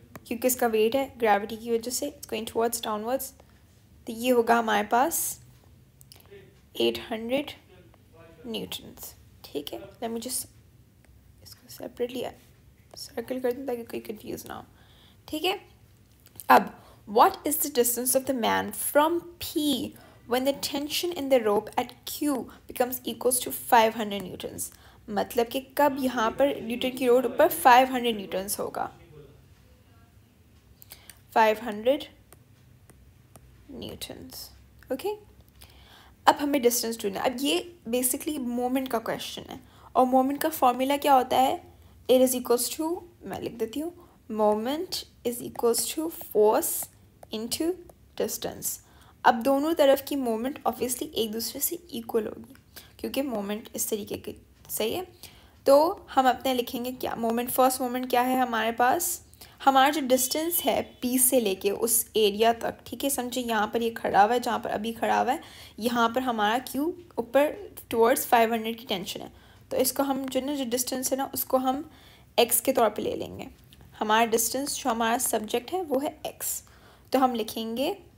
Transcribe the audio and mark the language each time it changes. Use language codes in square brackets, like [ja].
[hi] क्योंकि इसका वेट है ग्रेविटी की वजह से [en] it's going towards downwards [hi] तो ये होगा हमारे पास 800 न्यूटन्स ठीक है [en] let me just [hi] इसको सेपरेटली सर्कल कर दूँ ताकि कोई कन्फ्यूज ना हो ठीक है अब [en] What is the distance of the man from P when the tension in the rope at Q becomes equals to 500 newtons. [hi] मतलब कि कब यहाँ पर न्यूटन की रोड ऊपर 500 newtons होगा 500 newtons. Okay? अब हमें distance ढूंढना अब ये basically moment का question है और moment का formula क्या होता है [en] It is equals to, [hi] मैं लिख देती हूँ [en] moment is equals to force into distance. [hi] अब दोनों तरफ की मोमेंट ऑब्वियसली एक दूसरे से इक्वल होगी क्योंकि मोमेंट इस तरीके के सही है तो हम अपने लिखेंगे क्या मोमेंट फर्स्ट मोमेंट क्या है हमारे पास हमारा जो डिस्टेंस है पी से लेके उस एरिया तक ठीक है समझे यहाँ पर ये खड़ा हुआ है जहाँ पर अभी खड़ा हुआ है यहाँ पर हमारा क्यू ऊपर टुवर्ड्स 500 की टेंशन है तो इसको हम जो डिस्टेंस है ना उसको हम एक्स के तौर पर ले लेंगे हमारा डिस्टेंस जो हमारा सब्जेक्ट है वो है एक्स तो हम लिखेंगे